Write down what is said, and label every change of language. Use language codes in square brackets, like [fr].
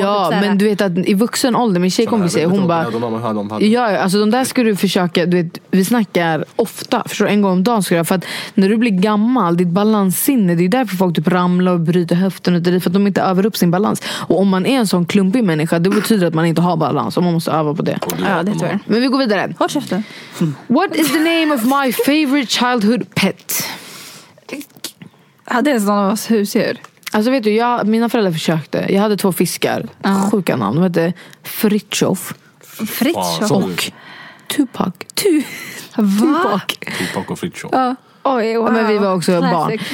[sv] Ja, typ, men du vet att i vuxen ålder, min tjej kommer säga, hon bara, ja, alltså de där ska du försöka, du vet, vi snackar ofta, förstår du, en gång om dagen ska du, för att när du blir gammal, ditt balanssinne, det är därför folk typ ramlar och bryter höften ut, för att de inte övar upp sin balans. Och om man är en sån klumpig människa, det betyder att man inte har balans och man måste öva på det. Ja, det tror jag. Men vi går vidare. Håll käften. [en] What is the name of my favorite childhood pet? [sv] Hade en sån av oss husdjur? Alltså vet du, mina föräldrar försökte. Jag hade två fiskar, sjuka namn. De hette Fritjof. Fritjof? Och Tupac. Tupac. Tupac och Fritjof. Oj, wow. Men vi var också classic barn.